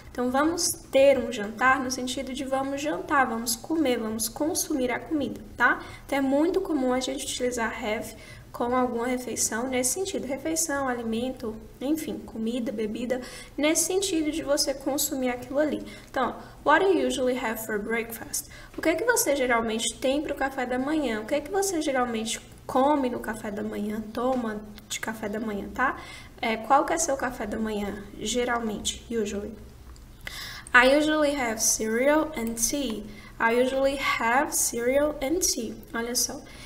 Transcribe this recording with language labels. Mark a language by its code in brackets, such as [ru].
[pt] Então, vamos ter um jantar no sentido de vamos jantar, vamos comer, vamos consumir a comida, tá? Então, é muito comum a gente utilizar have com alguma refeição nesse sentido. Refeição, alimento, enfim, comida, bebida, nesse sentido de você consumir aquilo ali. Então, [en] what do you usually have for breakfast? [pt] O que é que você geralmente tem para o café da manhã? O que é que você geralmente come no café da manhã, toma de café da manhã, tá? Qual que é seu café da manhã, geralmente, usually? [en] I usually have cereal and tea. I usually have cereal and tea. [pt] Olha só.